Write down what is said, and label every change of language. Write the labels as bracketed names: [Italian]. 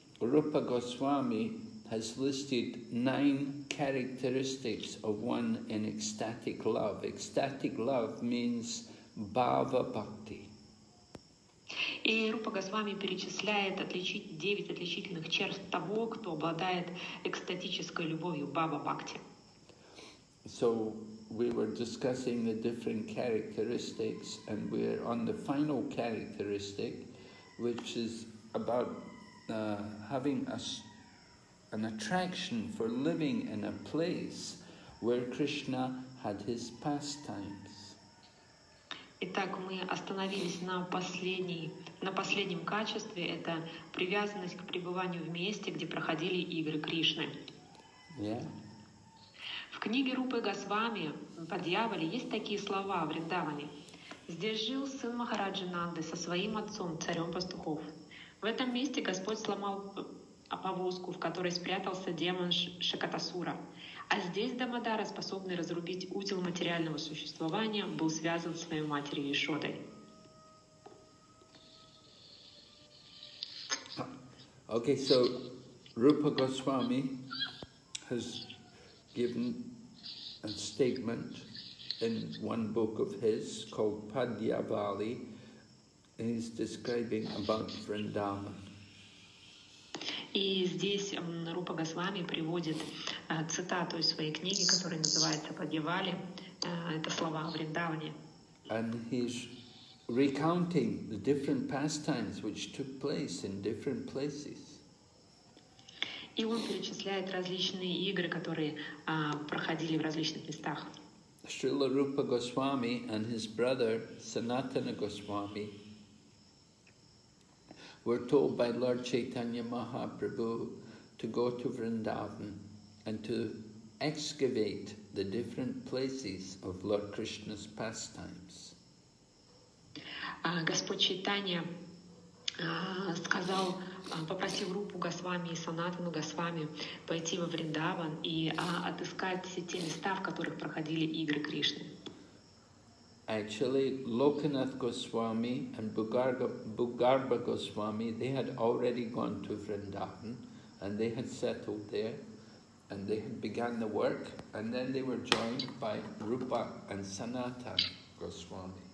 [English] Rupa Goswami has listed 9 characteristics of one in ecstatic love. Ecstatic love means bhava bhakti. [Russian] И Рупа Госвами перечисляет 9 отличительных черт того, кто обладает экстатической любовью, бхава бхакти. [English] So, we were discussing the different characteristics, and we're on the final characteristic, which is about having an attraction for living in a place where Krishna had his pastimes. [Russian] Итак, мы остановились на последнем качестве. Это привязанность к пребыванию в месте, где проходили игры Кришны. Yeah. В книге Рупы Госвами «По дьяволе» есть такие слова о Вриндаване. «Здесь жил сын Махараджи Нанды со своим отцом, царем пастухов. В этом месте Господь сломал повозку, в которой спрятался демон Шакатасура. А здесь Дамодара, способный разрубить узел материального существования, был связан с своей матерью Ишодой». [English] Okay, so Rupa Goswami has given a statement in one book of his called Padyavali, and he's describing about Vrindavan. [Russian] И здесь Рупа Госвами приводит цитату из своей книги, которая называется Падьявали. Это слова о Вриндаване. [English] And he's recounting the different pastimes which took place in different places. [Russian] И он перечисляет различные игры, которые проходили в различных местах. [English] Srila Rupa Goswami and his brother Sanatana Goswami were told by Lord Chaitanya Mahaprabhu to go to Vrindavan and to excavate the different places of Lord Krishna's pastimes. [Russian] Господь Чайтанья сказал, попросил Рупу Госвами и Санатану Госвами пойти во Вриндаван и отыскать все те места, в которых проходили игры Кришны. [English] Actually, Lokanath Goswami and Bhugarbha Goswami, they had already gone to Vrindavan, and they had settled there, and they had begun the work, and then they were joined by Rupa and Sanatana Goswami.